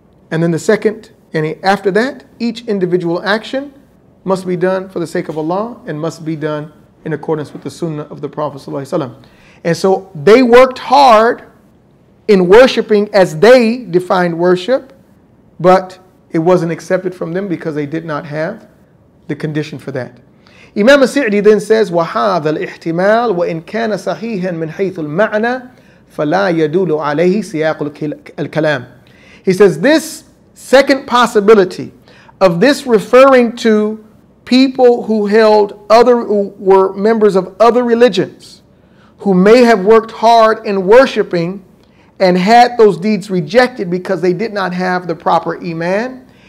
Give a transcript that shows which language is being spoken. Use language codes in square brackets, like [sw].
[en] And then the second, and after that, each individual action must be done for the sake of Allah and must be done in accordance with the sunnah of the Prophet sallallahu alaihi wasallam. And so they worked hard in worshiping as they defined worship, but it wasn't accepted from them because they did not have the condition for that. Imam Sa'di then says, [ar] وَهَذَا الْإِحْتِمَالُ وَإِنْ كَانَ صَحِيحًا مِنْ حَيْثُ الْمَعْنَى فَلَا يَدُولُ عَلَيْهِ سِيَاقُ الْكَلَامِ. [en] He says, this second possibility of this referring to people who held other, who were members of other religions, who may have worked hard in worshiping and had those deeds rejected because they did not have the proper iman.